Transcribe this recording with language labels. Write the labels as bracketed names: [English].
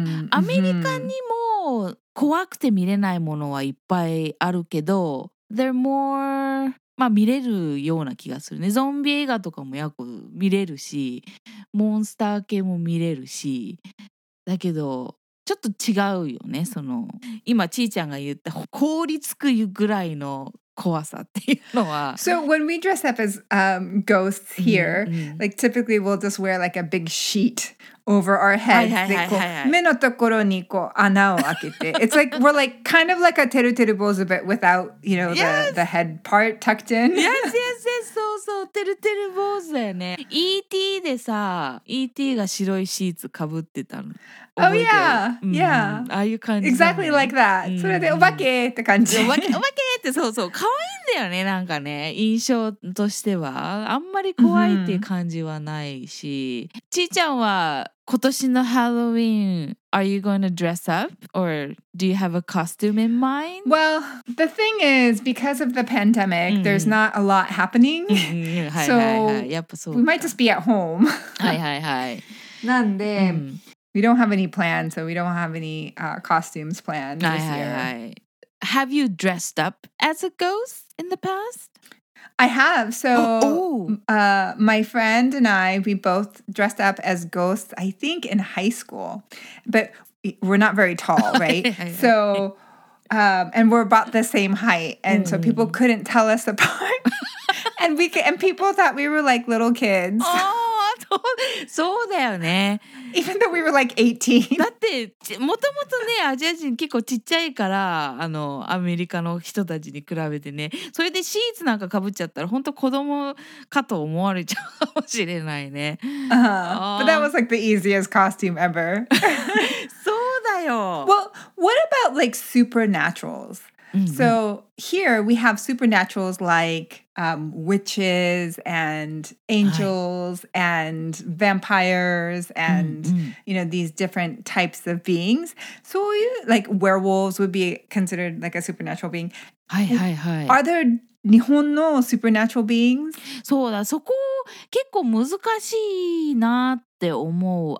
[Japanese] アメリカにも怖くて見れないものはいっぱいあるけど、 [English] they're more、 [Japanese] まあ、見れるような気がするね。ゾンビ映画とかもよく見れるし、モンスター系も見れるし、だけどちょっと違うよね。その今ちーちゃんが言った凍りつくぐらいの怖さっていうのは。 [English] So when we dress up as、ghosts here,、like typically we'll just wear like a big sheet over our head. [Japanese] はいはいはいはい、はい、目のところにこう穴を開けて。 [English] It's like we're like kind of like a てるてる坊主 but without, you know, the、 yes. the head part tucked in. Yes, yes, yes. [Japanese] そうそう、てるてる坊主だよね。 E.T. でさ、E.T. が白いシーツかぶってたの。 [English] Oh yeah, yeah. [Japanese] ああいう感じ。 [English] Exactly like that. [Japanese] それでお化けって感じ。お化けってそうそう、可愛いんだよね、なんかね。印象としては。あんまり怖いっていう感じはないし。ちーちゃんは、今年のハロウィン、 [English] are you going to dress up? Or do you have a costume in mind? Well, the thing is, because of the pandemic,、mm-hmm. there's not a lot happening. So, we might just be at home. [Japanese] はいはいはい。なんで、 [English] we don't have any plans, so we don't have any、costumes planned this year. Have you dressed up as a ghost in the past? I have. So my friend and I, we both dressed up as ghosts, I think, in high school. But we're not very tall, right? So, and we're about the same height. And so people couldn't tell us apart. And we could, and people thought we were like little kids. [Japanese] そうだよね。 [English] Even though we were like 18. [Japanese] だってもともとねアジア人結構ちっちゃいからあのアメリカの人たちに比べてね。それでシーツなんかかぶっちゃったら本当子供かと思われちゃうかもしれないね。 [English] But that was like the easiest costume ever. [Japanese] そうだよ。 [English] Well, what about like supernaturals? So here we have supernaturals like witches and angels and vampires and, you know, these different types of beings. So you, like werewolves would be considered like a supernatural being. [Japanese] はいはいはい。 [English] Are there [Japanese] 日本の [English] supernatural beings? [Japanese] そうだ、そこ結構難しいなって思う。